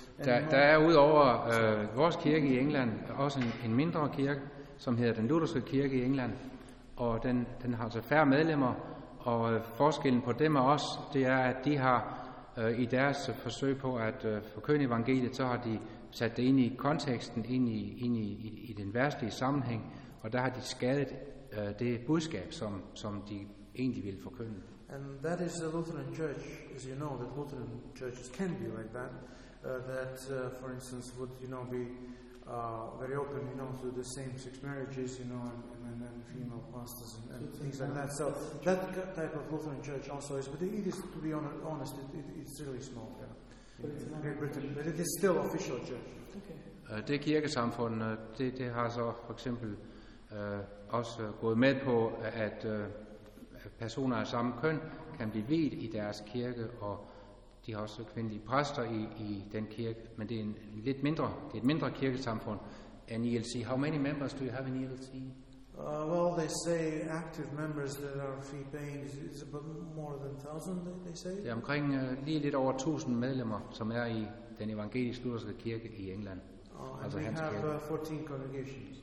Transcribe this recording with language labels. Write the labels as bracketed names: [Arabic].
[Danish] Der er udover vores kirke i England også en mindre kirke, som hedder den lutherske kirke i England, og den har så færre medlemmer, og forskellen på dem og os, det er, at de har i deres forsøg på at forkynde evangeliet, så har de sat det ind i konteksten, ind i den verslige sammenhæng, og der har de skadet det budskab, som de egentlig ville forkynde. [English] And that is the Lutheran Church, as you know, that Lutheran churches can be like that, that for instance would, you know, be very open, you know, to the same-sex marriages, you know, and female pastors and things like that. So that type of Lutheran church also is, but it is, to be honest, it's really small, yeah, in Great Britain. But it is still official church. Okay. [Danish] Det kirkesamfund, det har så for eksempel også gået med på, at personer af samme køn kan blive viet i deres kirke, og de har også kvindelige præster i den kirke, men det er et mindre kirkesamfund end ELC. [English] How many members do you have in ELC? Well, they say active members that are fee paying is about more than 1,000, they say. [Danish] Det er omkring lige lidt over 1,000 medlemmer, som er i den evangelisk lutherske kirke i England. Altså [English] and they have 14 congregations.